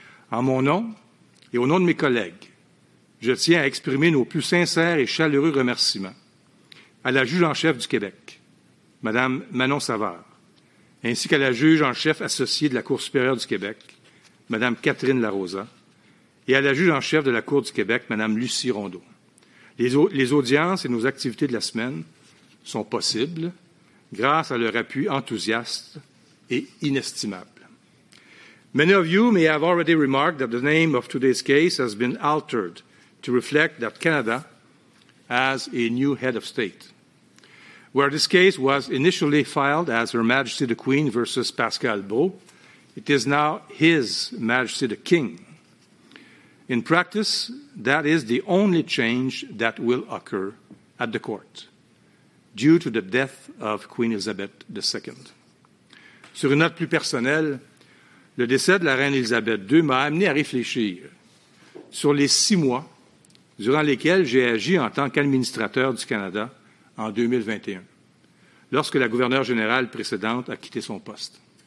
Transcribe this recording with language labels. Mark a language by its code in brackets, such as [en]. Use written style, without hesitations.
[fr] En mon nom et au nom de mes collègues, je tiens à exprimer nos plus sincères et chaleureux remerciements à la juge en chef du Québec, Mme Manon Savard, ainsi qu'à la juge en chef associée de la Cour supérieure du Québec, Mme Catherine Larosa, et à la juge en chef de la Cour du Québec, Mme Lucie Rondeau. Les audiences et nos activités de la semaine sont possibles grâce à leur appui enthousiaste et inestimable. [en] Many of you may have already remarked that the name of today's case has been altered to reflect that Canada has a new head of state. Where this case was initially filed as Her Majesty the Queen versus Pascal Beau, it is now His Majesty the King. In practice, that is the only change that will occur at the court due to the death of Queen Elizabeth II. [fr] Sur une note plus personnelle, le décès de la reine Elizabeth II m'a amené à réfléchir sur les 6 mois durant lesquels j'ai agi en tant qu'administrateur du Canada en 2021, lorsque la gouverneure générale précédente a quitté son poste.